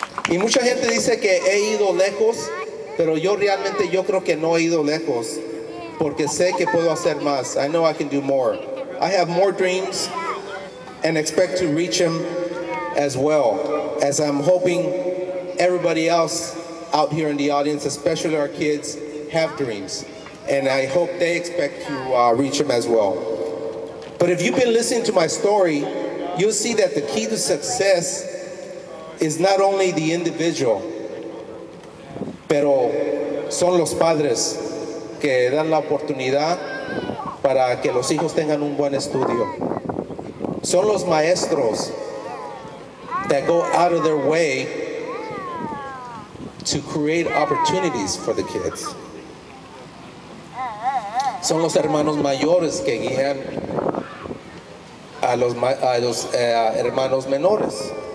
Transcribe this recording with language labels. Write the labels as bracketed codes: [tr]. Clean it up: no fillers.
[es] Y mucha gente dice que he ido lejos, pero yo realmente yo creo que no he ido lejos, porque sé que puedo hacer más. [en] I know I can do more. I have more dreams and expect to reach them as well, as I'm hoping everybody else out here in the audience, especially our kids, have dreams. And I hope they expect to reach them as well. But if you've been listening to my story, you'll see that the key to success is not only the individual, [es] pero son los padres que dan la oportunidad para que los hijos tengan un buen estudio. Son los maestros [en] that go out of their way to create opportunities for the kids. [es] Son los hermanos mayores que guían a los hermanos menores.